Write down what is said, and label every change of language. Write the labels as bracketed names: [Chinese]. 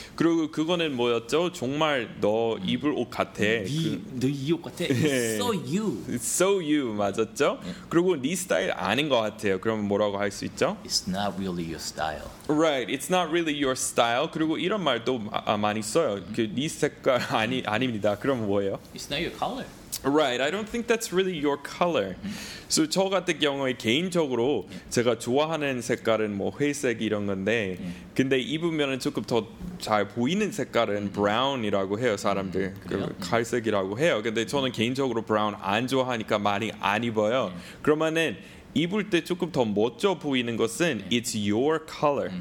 [Korean] 그리고 그거는 뭐였죠? 정말 너 입을 옷 같아. 너 이 옷 같아. [English] It's so you. It's so you [Korean] 맞았죠? [English] Yeah. [Korean] 그리고 네 스타일 아닌 것 같아요. 그러면 뭐라고 할 수 있죠? [English] It's not really your style. Right. It's not really your style. [Korean] 그리고 이런 말도 많이 써요. 그 네 색깔 아닙니다. 그러면 뭐예요? [English] It's not your color. Right, I don't think that's really your color. [Korean] So 저 같은 경우에 개인적으로 제가 좋아하는 색깔은 뭐 회색 이런 건데 근데 입으면 조금 더 잘 보이는 색깔은 브라운이라고 해요 사람들 갈색이라고 해요 근데 저는 개인적으로 브라운 안 좋아하니까 많이 안 입어요 그러면은 입을 때 조금 더 멋져 보이는 것은 [English] it's your color.